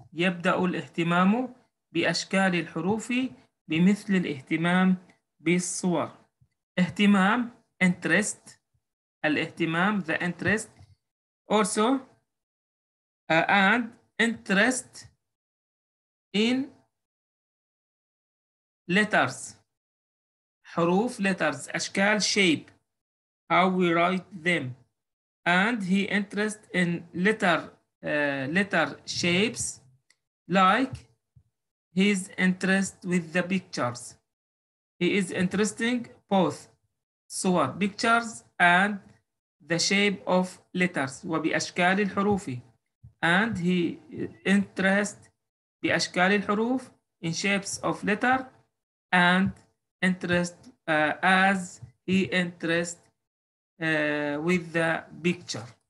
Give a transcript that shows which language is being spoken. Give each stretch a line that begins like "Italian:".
Arabic: يبدأ الاهتمام بأشكال الحروف بمثل الاهتمام بالصور.
English: اهتمام interest, الاهتمام the interest, also and interest in letters, حروف letters, أشكال shape, how we write them, and he interest in letter letter shapes. Like his interest with the pictures. He is interesting both صور pictures and the shape of letters
Arabic: وبأشكال الحروف.
English: And he interest
Arabic: بأشكال الحروف
English: in shapes of letter and interest as he interest with the picture.